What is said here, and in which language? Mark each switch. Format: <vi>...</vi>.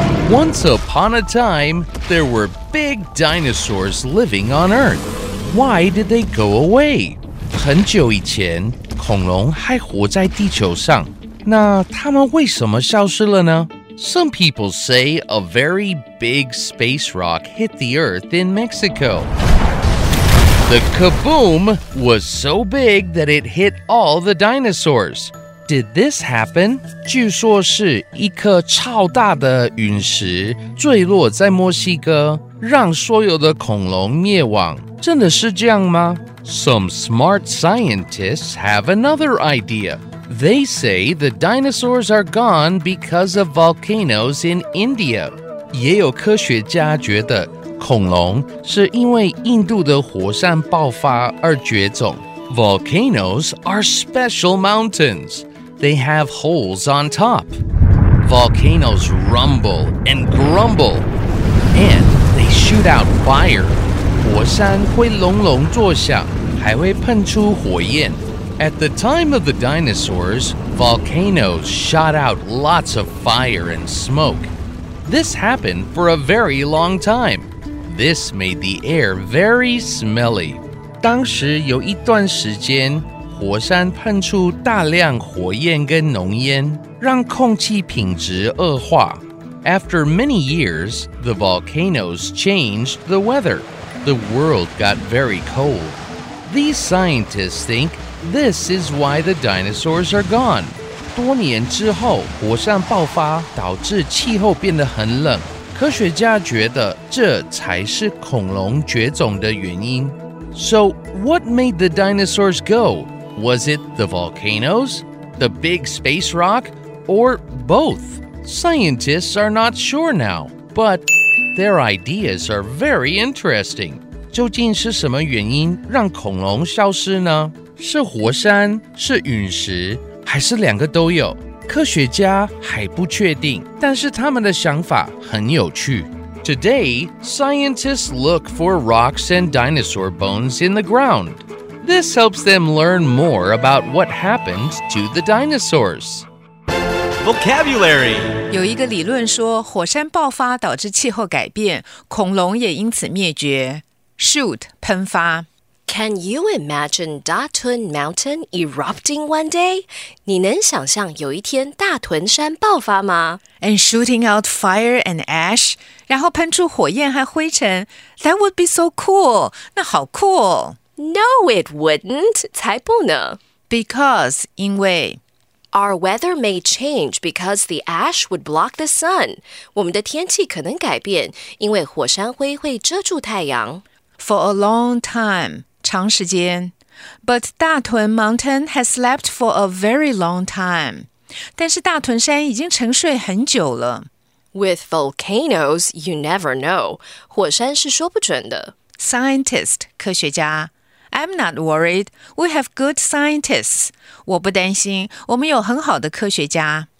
<en>Once upon a time, there were big dinosaurs living on Earth. Why did they go away?</en> <zh>很久以前，恐龙还活在地球上。那他们为什么消失了呢？</zh> <en>Some people say a very big space rock hit the Earth in Mexico. The kaboom was so big that it hit all the dinosaurs. Did this happen?</en> <zh>据说是一颗超大的陨石坠落在墨西哥，让所有的恐龙灭亡。真的是这样吗？</zh> <en>Some smart scientists have another idea. They say the dinosaurs are gone because of volcanoes in India.</en> <zh>也有科学家觉得恐龙是因为印度的火山爆发而绝种。</zh> <en>Volcanoes are special mountains. They have holes on top. Volcanoes rumble and grumble, and they shoot out fire.</en> <zh>火山会隆隆作响，还会喷出火焰。</zh> <en>At the time of the dinosaurs, volcanoes shot out lots of fire and smoke. This happened for a very long time. This made the air very smelly.</en> <zh>当时有一段时间，火山喷出大量火焰跟浓烟，让空气品质恶化。</zh> <en>After many years, the volcanoes changed the weather. The world got very cold. These scientists think this is why the dinosaurs are gone.</en> <zh>多年之后，火山爆发导致气候变得很冷。科学家觉得这才是恐龙绝种的原因。</zh> <en>So, what made the dinosaurs go? Was it the volcanoes? The big space rock? Or both? Scientists are not sure now, but... Their ideas are very interesting.</en> <zh>究竟是什么原因让恐龙消失呢？是火山，是陨石，还是两个都有？科学家还不确定，但是他们的想法很有趣。</zh> <en>Today, scientists look for rocks and dinosaur bones in the ground. This helps them learn more about what happened to the dinosaurs. Vocabulary.</en> <zh>有一个理论说火山爆发导致气候改变，恐龙也因此灭绝。</zh> <en>Shoot,</en> <zh>喷发。</zh> <en>Can you imagine Datun Mountain erupting one day?</en> <zh>你能想象有一天大屯山爆发吗？</zh> <en>And shooting out fire and ash,</en> <zh>然后喷出火焰和灰尘。</zh> <en>That would be so cool.</en> <zh>那好酷哦。</zh> <en>No, it wouldn't.</en> <zh>才不呢。</zh> <en>Because,</en> <zh>因为。</zh> <en>Our weather may change because the ash would block the sun.</en> <zh>我们的天气可能改变，因为火山灰会遮住太阳。</zh> <en>For a long time,</en> <zh>长时间。</zh> <en>But Datun Mountain has slept for a very long time.</en> <zh>但是大屯山已经沉睡很久了。</zh> <en>With volcanoes, you never know.</en> <zh>火山是说不准的。</zh> <en>Scientist,</en> <zh>科学家。</zh> <en>I'm not worried. We have good scientists.</en> <zh>我不担心，我们有很好的科学家。</zh>